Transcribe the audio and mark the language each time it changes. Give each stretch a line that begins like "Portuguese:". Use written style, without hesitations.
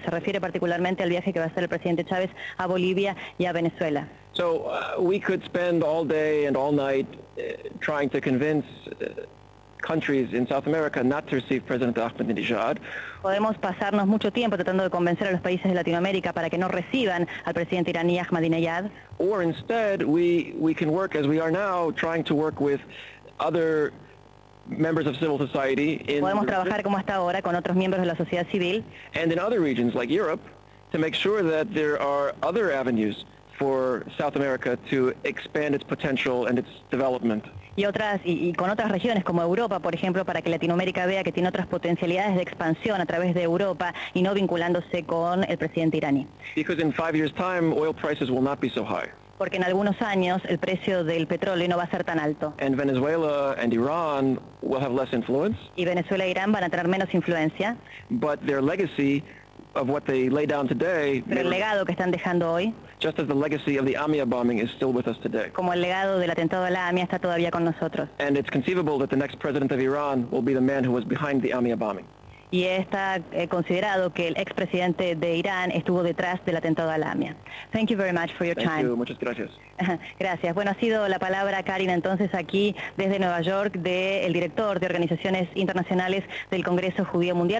Spanish: Se refiere particularmente al viaje que va a hacer el presidente Chávez a Bolivia y a Venezuela.
English: So we could spend all day and all night trying to convince countries in South America not to receive President Ahmadinejad.
Spanish: Podemos pasarnos mucho tiempo tratando de convencer a los países de Latinoamérica para que no reciban al presidente iraní Ahmadinejad.
English: Or instead, we can work as we are now, trying to work with other members of civil society in.
Spanish: Podemos trabajar como hasta ahora con otros miembros de la sociedad civil.
English: And in other regions like Europe, to make sure that there are other avenues for South America to expand its potential and its development.
Spanish: Y con otras regiones como Europa, por ejemplo, para que Latinoamérica vea que tiene otras potencialidades de expansión a través de Europa y no vinculándose con el presidente iraní.
English: Because in 5 years time, oil prices will not be so high.
Spanish: Porque en algunos años el precio del petróleo no va a ser tan alto.
English: And Venezuela and Iran will have less influence.
Spanish: Y Venezuela e Irán van a tener menos influencia.
English: But their legacy of what they lay down today.
Spanish: Pero el legado que están dejando hoy.
English: Just as the legacy of the Amia bombing is still with us today.
Spanish: Como el legado del atentado a la Amia está todavía con nosotros.
English: And it's conceivable that the next president of Iran will be the man who was behind the Amia bombing.
Spanish: Y está considerado que el ex presidente de Irán estuvo detrás del atentado a la Amia.
English: Thank you very much for your Thank time. Thank you.
Spanish: Muchas gracias. Gracias. Bueno, ha sido la palabra, Karin, entonces aquí desde Nueva York, del director de Organizaciones Internacionales del Congreso Judío Mundial.